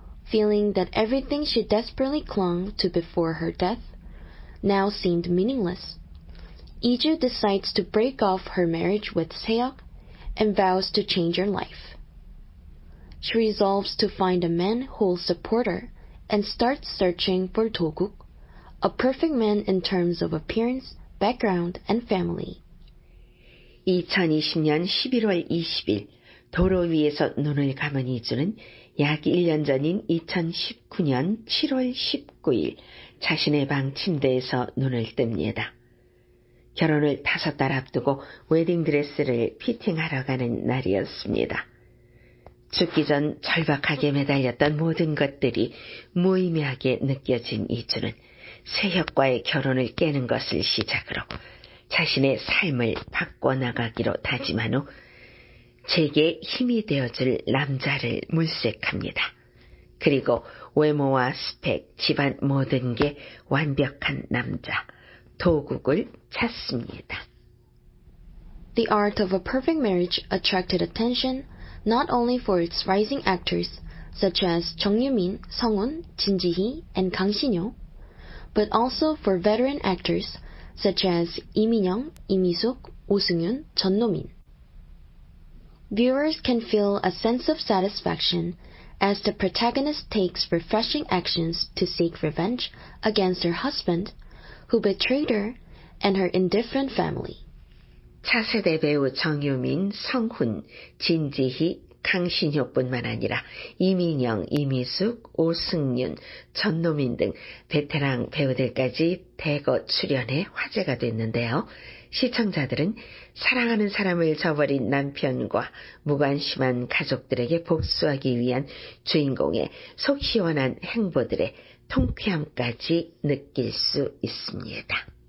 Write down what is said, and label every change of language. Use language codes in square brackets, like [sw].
[en] Feeling that everything she desperately clung to before her death now seemed meaningless, Iju decides to break off her marriage with Seok and vows to change her life. She resolves to find a man who will support her and starts searching for Doguk, a perfect man in terms of appearance, background, and family. [ko] 2020년 11월 20일, 도로 위에서 눈을 감은 이주는 약 1년 전인 2019년 7월 19일 자신의 방 침대에서 눈을 뜹니다. 결혼을 5달 앞두고 웨딩드레스를 피팅하러 가는 날이었습니다. 죽기 전 절박하게 매달렸던 모든 것들이 무의미하게 느껴진 이주는 세혁과의 결혼을 깨는 것을 시작으로 자신의 삶을 바꿔나가기로 다짐한 후 제게 힘이 되어줄 남자를 물색합니다. 그리고 외모와 스펙, 집안 모든 게 완벽한 남자, 도국을 찾습니다. [en] The Art of a Perfect Marriage attracted attention not only for its rising actors such as Jung Yoo-min, Sung-woon, Jin Ji-hee, and Kang Shin-yo, but also for veteran actors such as Lee Min-young, Lee Mi-suk, Oh Seung-yoon, Jeon No-min. Viewers can feel a sense of satisfaction as the protagonist takes refreshing actions to seek revenge against her husband, who betrayed her, and her indifferent family. [ko] 차세대 배우 정유민, 성훈, 진지희, 강신효뿐만 아니라 이민영, 이미숙, 오승윤, 전노민 등 베테랑 배우들까지 대거 출연해 화제가 됐는데요. 시청자들은 사랑하는 사람을 저버린 남편과 무관심한 가족들에게 복수하기 위한 주인공의 속 시원한 행보들의 통쾌함까지 느낄 수 있습니다.